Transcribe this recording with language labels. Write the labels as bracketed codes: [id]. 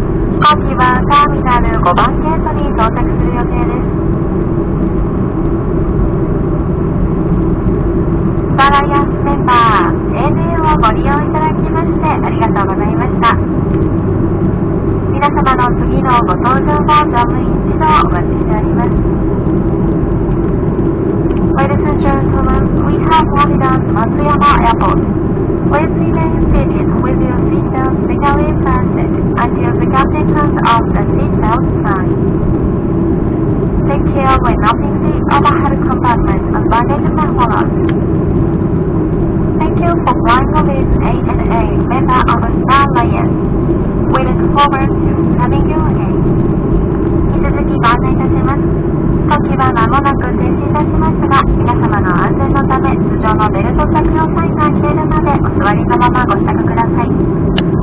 [ja] 飛行機はターミナル5番ゲートに到着する予定です。バラヤスメンバー ANA をご利用いただきましてありがとうございました。皆様の次のご搭乗は乗務員一同お待ちしております。 [en] Ladies and gentlemen, we have landed at Matsuyama Airport. Please remain seated with your seatbelt securely fastened until the captain turns off the seatbelt sign. Take care when opening the overhead compartment and baggage manifold. Thank you for flying with ANA, member of Star Alliance. We look forward to having you again. [ja] 引き続きご案内いたします。飛行機は間もなく停止いたしますが、皆様の安全のため通常のベルト着用サインが消えるまでお座りのままご支度ください。